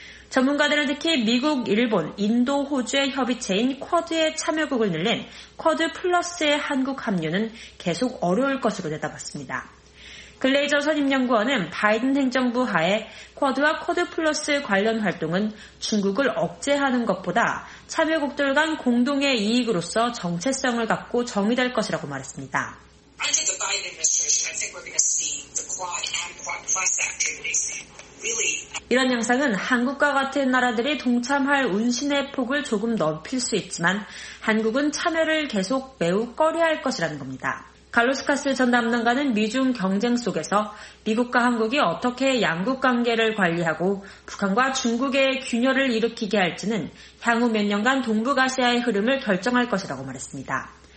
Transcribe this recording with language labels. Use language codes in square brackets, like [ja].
[ko] 전문가들은 특히 미국, 일본, 인도, 호주의 협의체인 쿼드의 참여국을 늘린 쿼드 플러스의 한국 합류는 계속 어려울 것으로 내다봤습니다. 글레이저 선임연구원은 바이든 행정부 하에 쿼드와 쿼드 플러스 관련 활동은 중국을 억제하는 것보다 참여국들 간 공동의 이익으로서 정체성을 갖고 정의될 것이라고 말했습니다. [en] Under the Biden administration, I think we're going to see the Quad and Quad Plus activities. [ko] 이런 양상은 한국과 같은 나라들이 동참할 운신의 폭을 조금 넓힐 수 있지만 한국은 참여를 계속 매우 꺼려할 것이라는 겁니다. 갈로스카스 전 담당관은 미중 경쟁 속에서 미국과 한국이 어떻게 양국 관계를 관리하고 북한과 중국의 균열을 일으키게 할지는 향후 몇 년간 동북아시아의 흐름을 결정할 것이라고 말했습니다.